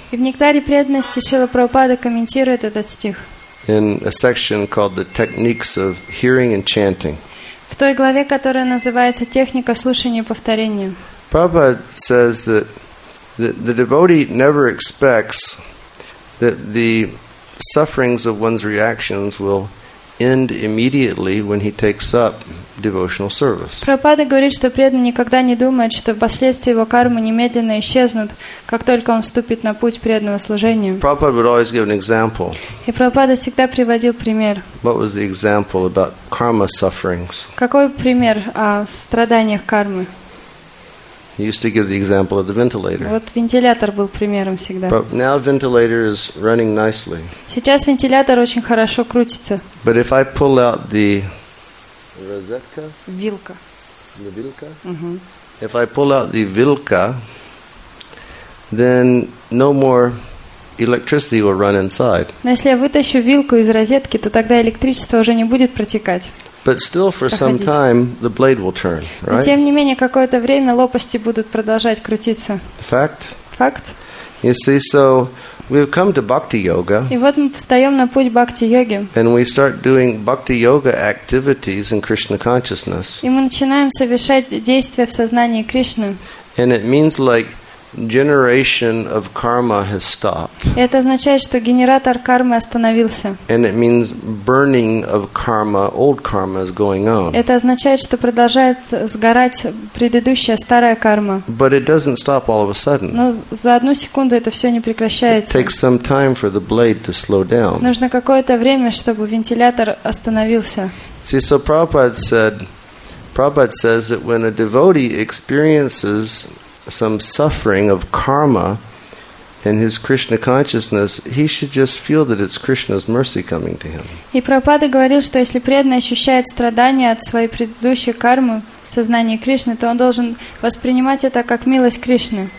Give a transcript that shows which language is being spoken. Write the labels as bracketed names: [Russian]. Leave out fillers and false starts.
[Russian] И в Нектаре преданности Шрила Прабхупада комментирует этот стих. [English] In a section called The Techniques of Hearing and Chanting. [Russian] В той главе, которая называется Техника слушания и повторения. [English] Prabhupada says that the devotee never expects that the sufferings of one's reactions will end immediately when he takes up devotional service. [Russian] Прабхупада говорит, что преданный никогда не думает, что последствия его кармы немедленно исчезнут, как только он вступит на путь преданного служения. [English] Prabhupada would always give an example. [Russian] И Прабхупада всегда приводил пример. [English] What was the example about karma sufferings? [Russian] Какой пример о страданиях кармы? [English] He used to give the example of the ventilator. [Russian] Вот вентилятор был примером всегда. [English] But now ventilator is running nicely. [Russian] Сейчас вентилятор очень хорошо крутится. [English] But if I pull out the розетка? [Russian] Вилка. [English] The vilka? Uh-huh. If I pull out the vilka, then no more electricity will run inside. [Russian] Но если я вытащу вилку из розетки, то тогда электричество уже не будет протекать. [English] But still, for [Russian] проходить. [English] Some time, the blade will turn, right? [Russian] Но тем не менее какое-то время лопасти будут продолжать крутиться. [English] Fact. Fact. You see, so we've come to bhakti yoga. [Russian] И вот мы встаем на путь бхакти йоги. [English] And we start doing bhakti yoga activities in Krishna consciousness. [Russian] И мы начинаем совершать действия в сознании Кришны. [English] And it means like generation of karma has stopped. [Russian] Это означает, что генератор кармы остановился. [English] And it means burning of karma, old karma is going on. [Russian] Это означает, что продолжает сгорать предыдущая старая карма. [English] But it doesn't stop all of a sudden. [Russian] Но за одну секунду это все не прекращается. [English] It takes some time for the blade to slow down. [Russian] Нужно какое-то время, чтобы вентилятор остановился. [English] See, so Prabhupada says that when a devotee experiences some suffering of karma in his Krishna consciousness, he should just feel that it's Krishna's mercy coming to him. [Russian] И Прабхупада говорил, что если преданный ощущает страдания от своей предыдущей кармы в сознании Кришны, то он должен воспринимать это как милость Кришны.